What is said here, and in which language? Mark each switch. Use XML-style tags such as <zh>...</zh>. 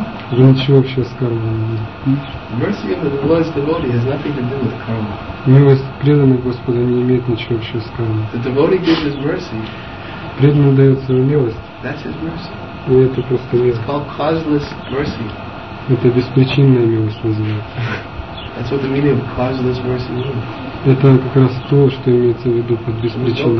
<ru>Вы ничего вообще с кармой не имеете.</ru> <en>Mercy of the lowest devotee has nothing to do with karma.</en> <ru>Милость преданных Господа не имеет ничего вообще с кармой.</ru> <en>The devotee gives his mercy.</en> <ru>Преданный дает свою милость.</ru> <en>That's his mercy.</en> <ru>И это просто милость.</ru> <en>It's called causeless mercy.</en> <ru>Это беспричинная милость называется.</ru> <en>That's what the meaning of causeless mercy means.</en> <ru>Это как раз то, что имеется в виду под беспричинной</ru>